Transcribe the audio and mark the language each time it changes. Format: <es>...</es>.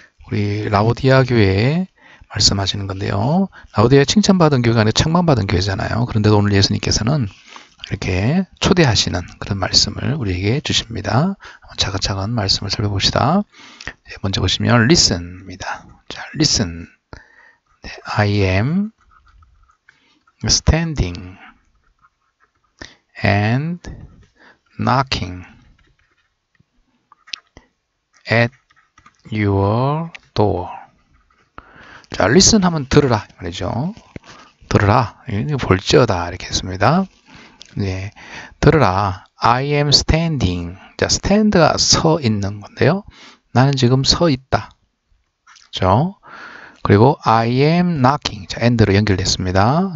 <ko>우리 라오디아 교회에 말씀하시는 건데요. 라오디아 칭찬받은 교회가 아니라 책망받은 교회잖아요. 그런데도 오늘 예수님께서는 이렇게 초대하시는 그런 말씀을 우리에게 주십니다. 차근차근 말씀을 살펴봅시다. 먼저 보시면 listen입니다. 자, listen.</ko> <en>I am standing and knocking at your door.</en> <ko>자, listen 하면 들으라 말이죠. 들으라. 볼지어다 이렇게 했습니다. 네, 들어라.</ko> <en>I am standing.</en> <ko>자, stand가 서 있는 건데요. 나는 지금 서 있다. 그렇죠? 그리고</ko> <en>I am knocking.</en> <ko>자, and로 연결됐습니다.</ko>